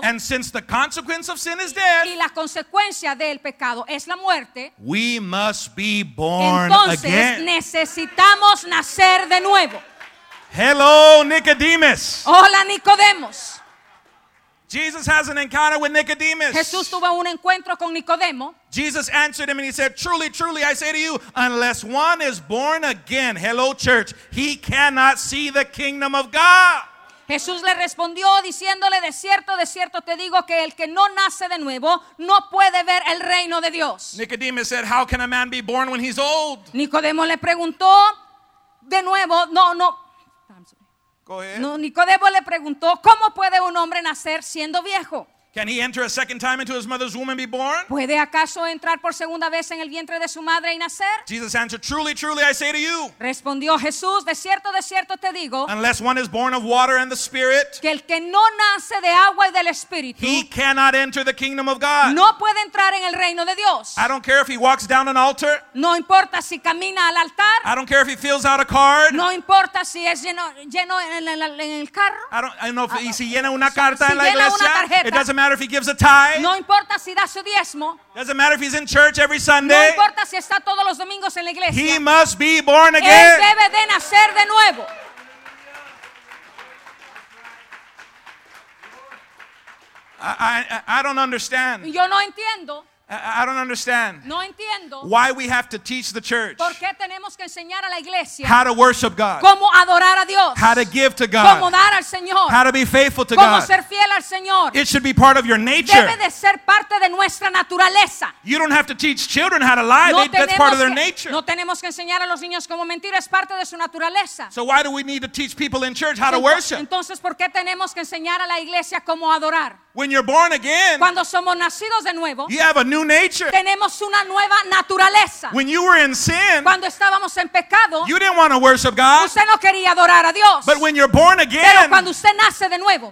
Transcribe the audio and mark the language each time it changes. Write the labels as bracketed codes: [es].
[en] and since the consequence of sin is death, [es] y la consecuencia del pecado es la muerte, [en] we must be born [es] entonces, [en] again. [es] Entonces necesitamos nacer de nuevo. [en] Hello, Nicodemus. [es] Hola, Nicodemos. [en] Jesus has an encounter with Nicodemus. [es] Jesús tuvo un encuentro con Nicodemo. [en] Jesus answered him and he said, truly, truly, I say to you, unless one is born again, hello church, he cannot see the kingdom of God. [es] Jesús le respondió diciéndole, de cierto te digo que el que no nace de nuevo no puede ver el reino de Dios. [en] Nicodemus said, how can a man be born when he's old? [es] Nicodemo le preguntó de nuevo, no, Nicodemo le preguntó, ¿cómo puede un hombre nacer siendo viejo? [en] Can he enter a second time into his mother's womb and be born? [es] ¿Puede acaso entrar por segunda vez en el vientre de su madre y nacer? [en] Jesus answered, truly, truly, I say to you. [es] Respondió Jesús, de cierto te digo. [en] Unless one is born of water and the Spirit. [es] Que el que no nace de agua y del Espíritu. [en] He cannot enter the kingdom of God. [es] No puede entrar en el reino de Dios. [en] I don't care if he walks down an altar. [es] No importa si camina al altar. [en] I don't care if he fills out a card. [es] No importa si es lleno en el carro. [en] I don't know if [es] si llena una carta si en la iglesia. Llena una tarjeta. [en] It doesn't matter if he gives a tithe. [es] No importa si da su diezmo. [en] Doesn't matter if he's in church every Sunday. [es] No importa si está todos los domingos en la iglesia. [en] He must be born again. [es] Él debe de nacer de nuevo. [en] I don't understand. [es] Yo no entiendo. [en] I don't understand. [es] No entiendo. [en] Why we have to teach the church. [es] ¿Por qué tenemos que enseñar a la iglesia? [en] How to worship God. [es] ¿Cómo adorar a Dios? [en] How to give to God. [es] ¿Cómo dar al Señor? [en] How to be faithful to [es] ¿Cómo [en] God. [es] Ser fiel al Señor? [en] It should be part of your nature. [es] Debe de ser parte de nuestra naturaleza. [en] You don't have to teach children how to lie. [es] No [en] they, that's part of their nature. [es] No tenemos que enseñar a los niños cómo mentir. Es parte de su naturaleza. [en] So why do we need to teach people in church how to worship? [es] Entonces, ¿por qué tenemos que enseñar a la iglesia cómo adorar? [en] When you're born again, [es] cuando somos nacidos de nuevo, [en] you have a new nature. [es] Tenemos una nueva naturaleza. [en] When you were in sin, [es] cuando estábamos en pecado, [en] you didn't want to worship God. [es] Usted no quería adorar a Dios. [en] But when you're born again, [es] pero cuando usted nace de nuevo,